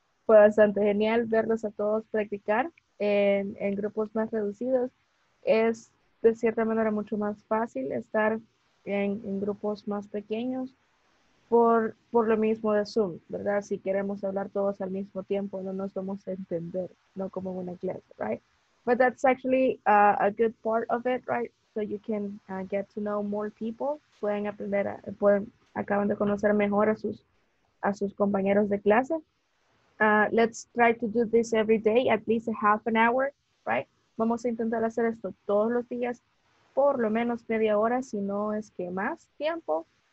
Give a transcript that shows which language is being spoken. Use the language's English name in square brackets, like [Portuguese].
[Spanish] Fue bastante genial verlos a todos practicar en grupos más reducidos. Es de cierta manera mucho más fácil estar en grupos más pequeños. Por lo mismo de Zoom, ¿verdad? Si queremos hablar todos al mismo tiempo, no nos vamos a entender, no como en una clase, right? [English] But that's actually a good part of it, right? So you can get to know more people. [Spanish] Pueden aprender, acaban de conocer mejor a sus compañeros de clase. [English] Let's try to do this every day, at least a half an hour, right? [Spanish] Vamos a intentar hacer esto todos los días, por lo menos media hora, si no es que más tiempo.